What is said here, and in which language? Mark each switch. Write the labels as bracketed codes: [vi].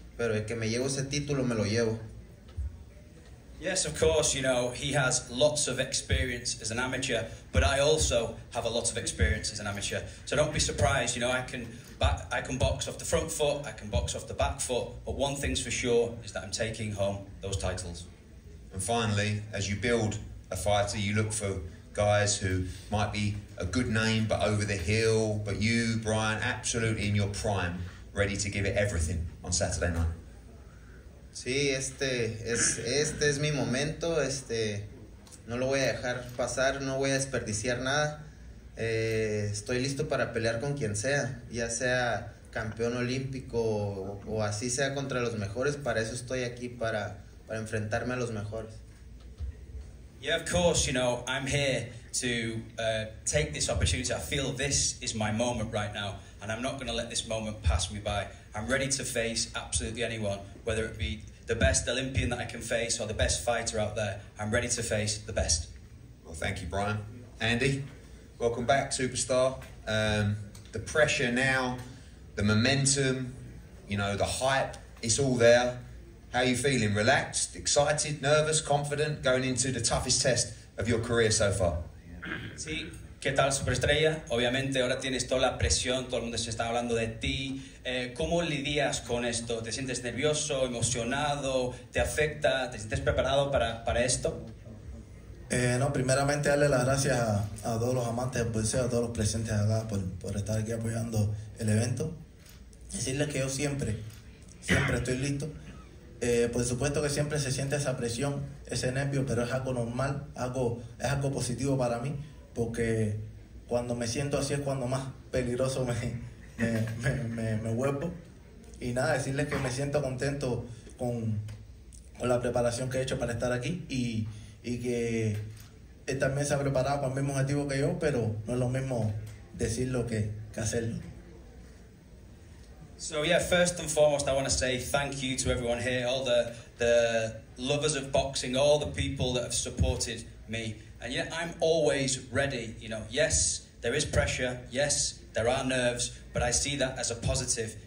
[es] Pero el que me llevo ese título, me lo llevo. [en] Yes, of course, you know, he has lots of experience as an amateur, but I also have a lot of experience as an amateur. So don't be surprised, you know, I can box off the front foot, I can box off the back foot, but one thing's for sure is that I'm taking home those titles. And finally, as you build a fighter, you look for guys who might be a good name, but over the hill, but you, Brian, absolutely in your prime, ready to give it everything on Saturday night. [es] Sí, este es mi momento, no lo voy a dejar pasar, no voy a desperdiciar nada. Estoy listo para pelear con quien sea, ya sea campeón olímpico o así sea contra los mejores, para eso estoy aquí, para enfrentarme a los mejores. [en] Yeah, of course, you know, I'm here to take this opportunity. I feel this is my moment right now, and I'm not going to let this moment pass me by. I'm ready to face absolutely anyone, whether it be the best Olympian that I can face or the best fighter out there. I'm ready to face the best. Well, thank you, Brian. Andy, welcome back, superstar. The pressure now, the momentum, you know, the hype, it's all there. How are you feeling? Relaxed, excited, nervous, confident, going into the toughest test of your career so far? [es] Sí. ¿Qué tal, superestrella? Obviamente ahora tienes toda la presión, todo el mundo se está hablando de ti. ¿Cómo lidias con esto? ¿Te sientes nervioso, emocionado? ¿Te afecta? ¿Te sientes preparado para esto? No, primeramente darle las gracias a todos los amantes del boxeo, a todos los presentes acá por estar aquí apoyando el evento. Decirles que yo siempre, siempre estoy listo. Por supuesto que siempre se siente esa presión, ese nervio, pero es algo normal, es algo positivo para mí. Porque cuando me siento así es cuando más peligroso me vuelvo. Y nada, decirles que me siento contento con la preparación que he hecho para estar aquí y que él también se ha preparado con el mismo objetivo que yo, pero no es lo mismo decirlo que hacerlo. [en] So yeah, first and foremost, I want to say thank you to everyone here, all the lovers of boxing, all the people that have supported me. And yet I'm always ready, you know. Yes, there is pressure. Yes, there are nerves, but I see that as a positive.